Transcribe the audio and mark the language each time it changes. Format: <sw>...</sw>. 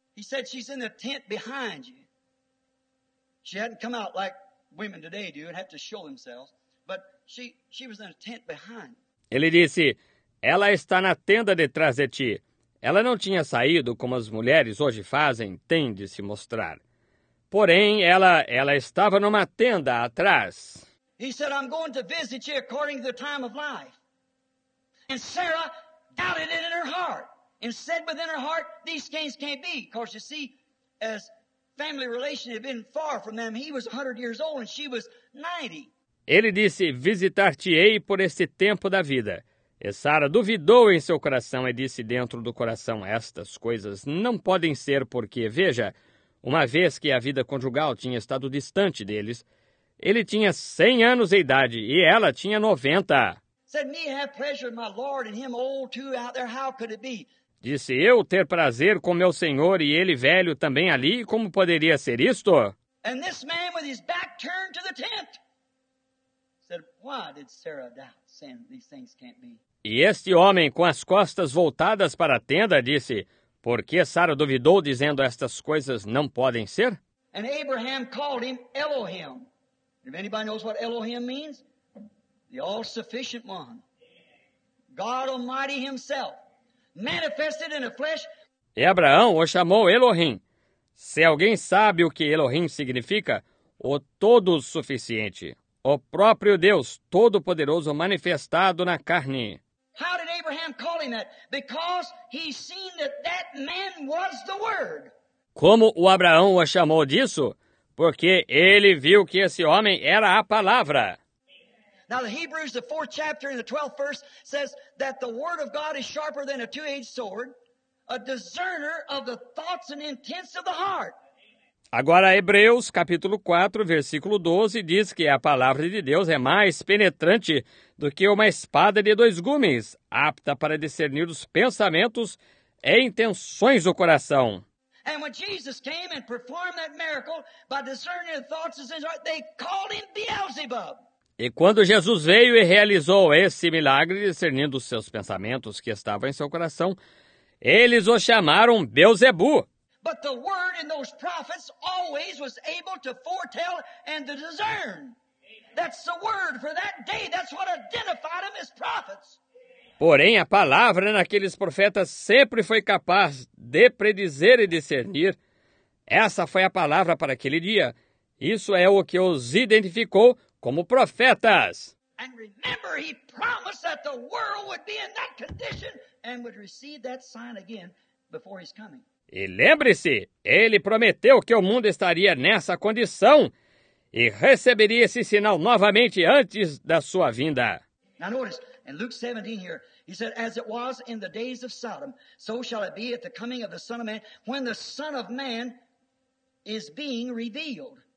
<en>He said, she's in the tent behind you. She hadn't come out like women today do and have to show themselves. But she was in a tent behind.</en> <pt>Ele disse, ela está na tenda detrás de ti. Ela não tinha saído como as mulheres hoje fazem, tem de se mostrar. Porém, ela estava numa tenda atrás.</pt> <en>He said, I'm going to visit you according to the time of life. And Sarah doubted it in her heart. And said within her heart, these things can't be. Because you see, as family relation had been far from them, he was 100 years old and she was 90.</en> <pt>Ele disse, visitar-te-ei por este tempo da vida. E Sara duvidou em seu coração e disse dentro do coração, estas coisas não podem ser porque, veja, uma vez que a vida conjugal tinha estado distante deles, ele tinha 100 anos de idade e ela tinha 90.</pt> <en>Said, me have pleasure in my Lord and him old too out there, how could it be?</en> <pt>Disse, eu ter prazer com meu senhor e ele velho também ali, como poderia ser isto?</pt> <en>And this man with his back turned to the tent. Said, why did Sarah doubt saying these things can't be?</en> <pt>E este homem com as costas voltadas para a tenda disse, por que Sara duvidou dizendo estas coisas não podem ser?</pt> <en>And Abraham called him Elohim. If anybody knows what Elohim means? The all-sufficient one. God Almighty himself. Manifested in the flesh.</en> <pt>E Abraão o chamou Elohim. Se alguém sabe o que Elohim significa, o todo suficiente, o próprio Deus Todo-Poderoso manifestado na carne.</pt> <en>How did Abraham call him that? Because he seen that that man was the Word.</en> <pt>Como o Abraão o chamou disso? Porque ele viu que esse homem era a palavra.</pt> <en>Now the Hebrews, the 4th chapter in the 12th verse, says that the Word of God is sharper than a two-edged sword, a discerner of the thoughts and intents of the heart.</en> <pt>Agora, Hebreus, capítulo 4, versículo 12, diz que a palavra de Deus é mais penetrante do que uma espada de dois gumes, apta para discernir os pensamentos e intenções do coração.</pt> <en>And when Jesus came and performed that miracle by discerning the thoughts of his heart, they called him Beelzebub.</en> <pt>E quando Jesus veio e realizou esse milagre, discernindo os seus pensamentos que estavam em seu coração, eles o chamaram Beelzebu.</pt> <en>But the word in those prophets always was able to foretell and to discern. That's the word for that day. That's what identified them as prophets.</en> <pt>Porém, a palavra naqueles profetas sempre foi capaz de predizer e discernir. Essa foi a palavra para aquele dia. Isso é o que os identificou como profetas.</pt> <en>And remember, he promised that the world would be in that condition and would receive that sign again before his coming.</en> <pt>E lembre-se, ele prometeu que o mundo estaria nessa condição e receberia esse sinal novamente antes da sua vinda.</pt> <en>Now notice, in Luke 17 here, he said, as it was in the days of Sodom, so shall it be at the coming of the Son of Man, when the Son of Man is being revealed.</en>